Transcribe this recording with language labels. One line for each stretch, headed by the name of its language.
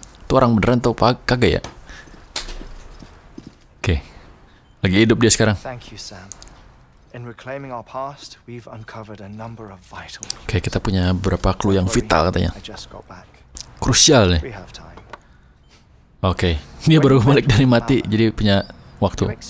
Indonesian: Itu orang beneran tuh kagak ya? Oke. Lagi hidup dia sekarang.
English: Thank you, Sam. In reclaiming our past, we've uncovered a number of vital.
Indonesian: Oke, kita punya beberapa clue yang vital katanya. Krusial nih. Oke, dia baru balik dari mati, jadi punya waktu.